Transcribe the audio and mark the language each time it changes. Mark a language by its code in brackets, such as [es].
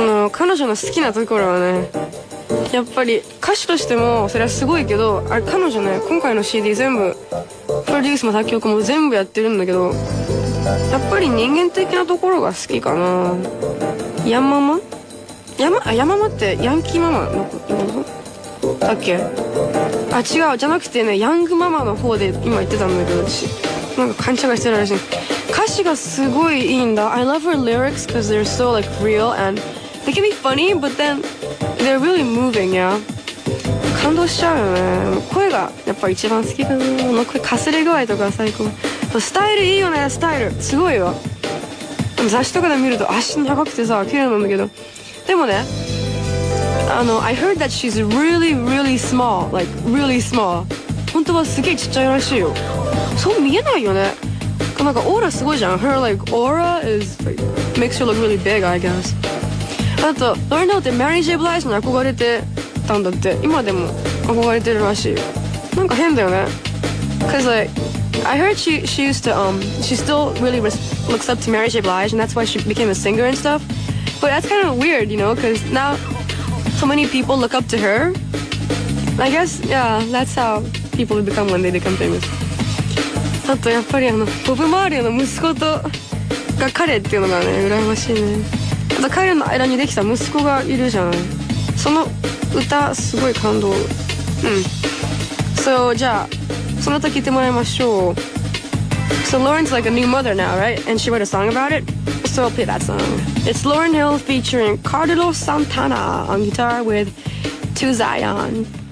[ja] 彼女の好きなところはね、やっぱり歌手としてもそれはすごいけど、あれ彼女ね、今回の CD 全部、プロデュースも作曲も全部やってるんだけど、やっぱり人間的なところが好きかな。ヤンママ? ヤママってヤンキーママのことだっけ? あ、違う。じゃなくてね、ヤングママの方で今言ってたんだけど、私。なんか勘違いしてるらしい。歌詞がすごいいいんだ。 [en] I love her lyrics because they're so like real and they can be funny, but then they're really moving, yeah? [ja] 感動しちゃうよね。声がやっぱ一番好きかな。あの声かすれ具合とか最高。スタイルいいよね、スタイル。すごいわ。雑誌とかで見ると足長くてさ、綺麗なんだけど。でもね、 [en] I heard that she's really, really small. Like, really small. [ja] 本当はすげえちっちゃいらしいよ。そう見えないよね。なんかオーラすごいじゃん。 [en] Her, like, aura is, like, makes her look really big, I guess. [ja] あと、Lauren Hill ってマリー・ J ・ブライスに憧れてたんだって。今でも憧れてるらしいよ。なんか変だよね。 [en] Cause, like, I heard she used to, she still really looks up to Mary J. Blige, and that's why she became a singer and stuff. But that's kind of weird, you know, because now so many people look up to her. I guess, yeah, that's how people become when they become famous. [ja] あとやっぱりボブ・マーリーの息子とが彼っていうのがね、羨ましいね。あと彼の間にできた息子がいるじゃん。その歌、すごい感動。うん。 [en] So, [ja] じゃあ、その歌聞いてもらいましょう。 [en] So, Lauren's like a new mother now, right? And she wrote a song about it. So I'll play that song. It's Lauren Hill featuring Carlos Santana on guitar with Two Zion.